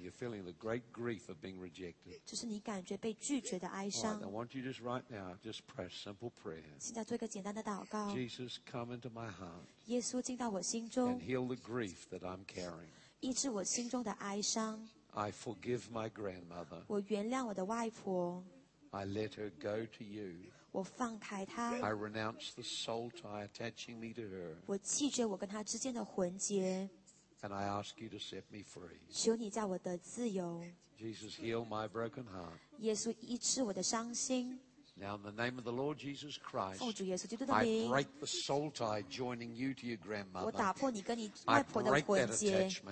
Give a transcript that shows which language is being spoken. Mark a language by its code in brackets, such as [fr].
[en] You're feeling the great grief of being rejected. [zh] 就是你感觉被拒绝的哀伤。 [en] All right, I want you just right now, just pray a simple prayer. [zh] 现在做一个简单的祷告。 [en] Jesus, come into my heart. [zh] 耶稣进到我心中。 [en] And heal the grief that I'm carrying. [zh] 医治我心中的哀伤。 [en] I forgive my grandmother. [zh] 我原谅我的外婆。 [en] I let her go to you. [zh] 我放开她。 [en] I renounce the soul tie attaching me to her. [zh] 我弃绝我跟她之间的魂结。 [en] And I ask you to set me free. [zh] 求你叫我得自由。 [en] Jesus, heal my broken heart. [zh] 耶稣医治我的伤心。 [en] Now in the name of the Lord Jesus Christ, [zh] 奉主耶稣基督的名, [en] I break the soul tie joining you to your grandmother. [zh] 我打破你跟你外婆的婚结。